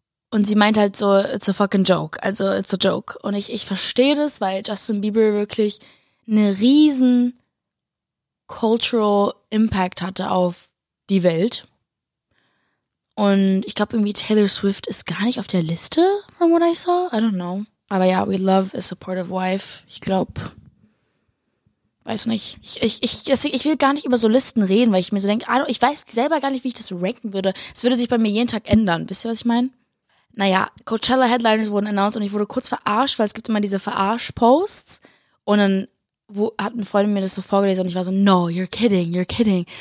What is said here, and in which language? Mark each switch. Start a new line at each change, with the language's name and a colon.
German: Und sie meint halt so,
English: it's a fucking joke.
German: Also,
English: it's a joke.
German: Und ich verstehe das, weil Justin Bieber wirklich eine riesen cultural impact hatte auf die Welt. Und ich glaube irgendwie Taylor Swift ist gar nicht auf der Liste,
English: from what I saw. I don't know.
German: Aber ja,
English: we love a supportive wife.
German: Ich glaube, weiß nicht. Ich will gar nicht über so Listen reden, weil ich mir so denke, ich weiß selber gar nicht, wie ich das ranken würde. Es würde sich bei mir jeden Tag ändern. Wisst ihr, was ich meine? Naja, Coachella Headliners wurden announced und ich wurde kurz verarscht, weil es gibt immer diese Verarsch-Posts. Und dann hat ein Freund mir das so vorgelesen und ich war so,
English: no, you're kidding.